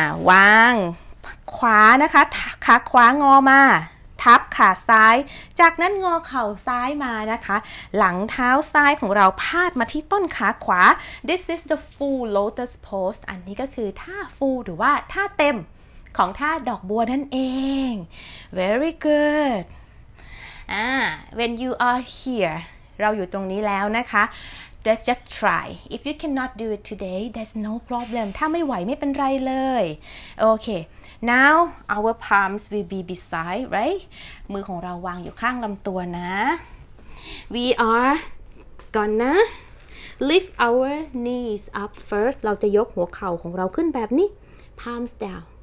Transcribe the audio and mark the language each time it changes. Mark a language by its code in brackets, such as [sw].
[th] วางขวานะคะขาขวางอมาทับขาซ้ายจากนั้นงอเข่าซ้ายมานะคะหลังเท้าซ้ายของเราพาดมาที่ต้นขาขวา This is the full lotus pose อันนี้ก็คือท่า full หรือว่าท่าเต็มของท่าดอกบัวนั่นเอง Very good When you are here เราอยู่ตรงนี้แล้วนะคะ Let's just try. [en] If you cannot do it today, there's no problem. ถ้าไม่ไหวไม่เป็นไรเลย Okay. Now our palms will be beside, right? [th] มือของเราวางอยู่ข้างลำตัวนะ We are gonna lift our knees up first. เราจะยกหัวเข่าของเราขึ้นแบบนี้ Palms down.